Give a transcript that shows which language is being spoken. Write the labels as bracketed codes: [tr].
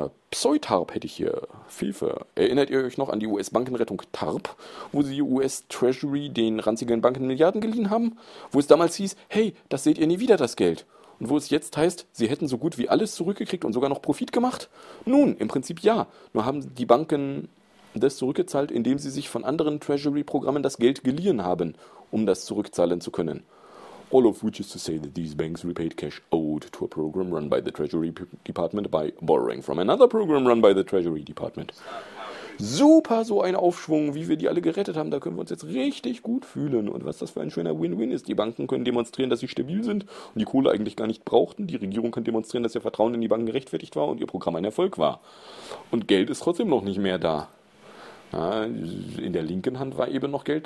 [de] Pseutarp hätte ich hier. Fefe. Erinnert ihr euch noch an die US-Bankenrettung TARP, wo sie US-Treasury den ranzigen Banken Milliarden geliehen haben? Wo es damals hieß, hey, das seht ihr nie wieder, das Geld. wo es jetzt heißt, sie hätten so gut wie alles zurückgekriegt und sogar noch Profit gemacht? Nun, im Prinzip ja. Nur haben die Banken das zurückgezahlt, indem sie sich von anderen Treasury-Programmen das Geld geliehen haben, um das zurückzahlen zu können. [en] All of which is to say that these banks repaid cash owed to a program run by the Treasury Department by borrowing from another program run by the Treasury Department. [de] Super, so ein Aufschwung, wie wir die alle gerettet haben. Da können wir uns jetzt richtig gut fühlen. Und was das für ein schöner Win-Win ist. Die Banken können demonstrieren, dass sie stabil sind und die Kohle eigentlich gar nicht brauchten. Die Regierung kann demonstrieren, dass ihr Vertrauen in die Banken gerechtfertigt war und ihr Programm ein Erfolg war. Und Geld ist trotzdem noch nicht mehr da. Ja, in der linken Hand war eben noch Geld.